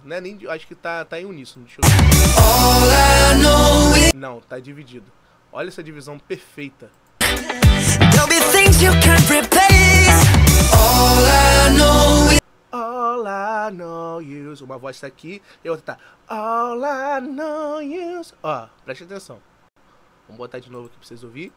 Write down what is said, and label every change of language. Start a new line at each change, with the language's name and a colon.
Portuguese: Não é nem, acho que tá em uníssono. Deixa eu ver.
English: All I know is...
Portuguese: Não, tá dividido. Olha essa divisão perfeita.
English: There'll be things you can't replace. All I know is... All I know is...
Portuguese: Uma voz tá aqui e a outra tá...
English: All I know is...
Portuguese: Ó, preste atenção. Vamos botar de novo aqui pra vocês ouvirem.